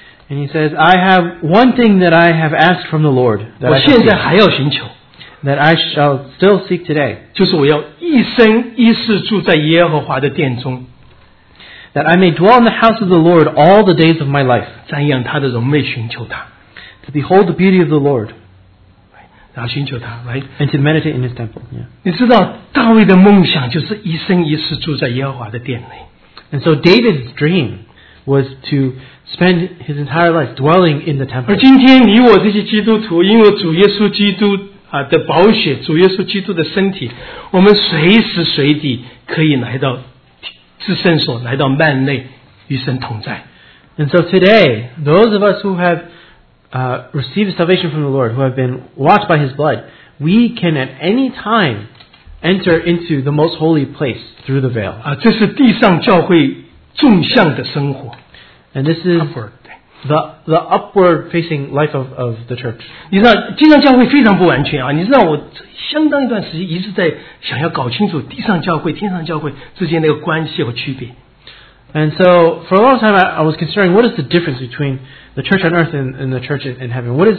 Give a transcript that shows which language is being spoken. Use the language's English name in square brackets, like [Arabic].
[English] And he says, "I have one thing that I have asked from the Lord." [Chinese] 我现在还要寻求。 [English] That I shall still seek today. [Chinese] 就是我要一生一世住在耶和华的殿中。 [English] That I may dwell in the house of the Lord all the days of my life. [Chinese] 瞻仰他的荣美，寻求他。 [English] To behold the beauty of the Lord. [Chinese] 然后寻求他 ， [English] right? And to meditate in His temple. Yeah. [Chinese] 你知道大卫的梦想就是一生一世住在耶和华的殿内。 [English] And so David's dream was to spend his entire life dwelling in the temple. [Chinese] 而今天你我这些基督徒，因为主耶稣基督的宝血，主耶稣基督的身体，我们随时随地可以来到。至圣所来到幔内与神同在。 [English] And so today, those of us who have received salvation from the Lord, who have been washed by His blood, we can at any time enter into the most holy place through the veil. [Chinese] 这是地上教会众像的生活。 [English] And this is the upward facing life of the church. [Chinese] 你知道，经常教会非常不完全啊！你知道，我相当一段时间一直在想要搞清楚地上教会、天上教会之间那个关系和区别。 [English] And so for a long time, I was considering what is the difference between the church on earth and the church in heaven.